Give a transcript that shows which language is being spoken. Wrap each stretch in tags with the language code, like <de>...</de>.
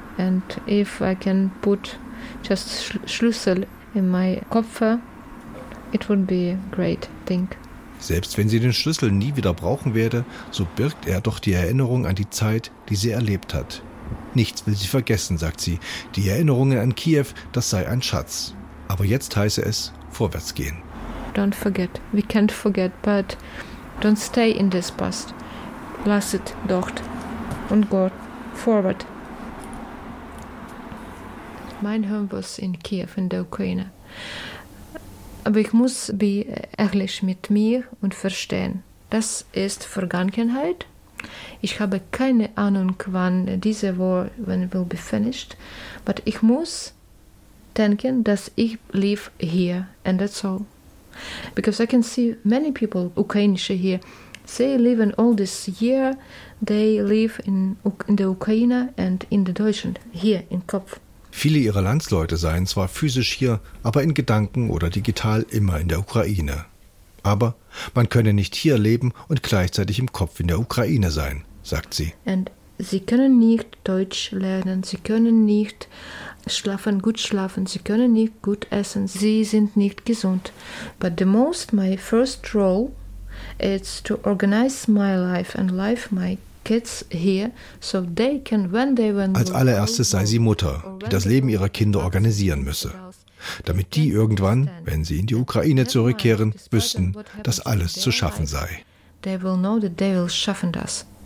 <en>And if I can put just Schlüssel in my Koffer, it would be a great thing.</en> <de>Selbst wenn sie den Schlüssel nie wieder brauchen werde, so birgt er doch die Erinnerung an die Zeit, die sie erlebt hat. Nichts will sie vergessen, sagt sie. Die Erinnerungen an Kiew, das sei ein Schatz. Aber jetzt heiße es, vorwärts gehen.</de> <en>Don't forget. We can't forget, but don't stay in this past.</en> <de>Lass</de> <en>it</en> <de>dort und</de> <en>go forward.</en> <de>Mein</de> <en>Home was</en> <de>in Kiew, in der Ukraine. Aber ich muss</de> <en>be</en> <de>ehrlich mit mir und verstehen. Das ist Vergangenheit. Ich habe keine Ahnung, wann diese war,</de> <en>when it will be finished. But</en> <de>ich muss denken, dass ich</de> <en>live here and that's all. Because I can see many people, Ukrainische here, they live in all this year, they live in the Ukraine and in the Deutschland, here in Kopf.</en> <de>Viele ihrer Landsleute seien zwar physisch hier, aber in Gedanken oder digital immer in der Ukraine. Aber man könne nicht hier leben und gleichzeitig im Kopf in der Ukraine sein, sagt sie. And sie können nicht Deutsch lernen, sie können nicht schlafen, gut schlafen, sie können nicht gut essen, sie sind nicht gesund.</de> <en>But the most, my first role, is to organize my life and life my kids here, so they can, when they when.</en> <de>Als allererstes sei sie Mutter, die das Leben ihrer Kinder organisieren müsse, damit die irgendwann, wenn sie in die Ukraine zurückkehren, wüssten, dass alles zu schaffen sei.</de> <en>They will know that they will</en> <de>schaffen das.</de>